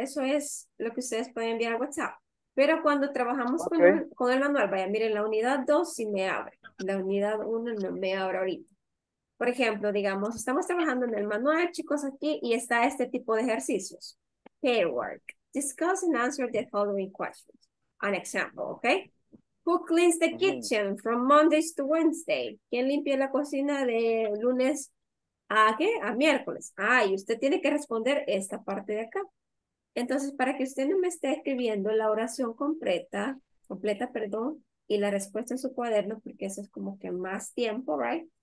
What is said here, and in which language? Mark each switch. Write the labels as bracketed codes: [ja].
[es] Eso es lo que ustedes pueden enviar a WhatsApp. Pero cuando trabajamos con el manual, vaya, miren, la unidad 2 sí me abre. La unidad 1 no me abre ahorita. Por ejemplo, digamos, estamos trabajando en el manual, chicos, aquí, y está este tipo de ejercicios. [en] Pair work. Discuss and answer the following questions. An example, ¿ok? Who cleans the kitchen from Mondays to Wednesday? [es] ¿Quién limpia la cocina de lunes a qué? A miércoles. Ah, y usted tiene que responder esta parte de acá. Entonces, para que usted no me esté escribiendo la oración completa, y la respuesta en su cuaderno, porque eso es como que más tiempo, right?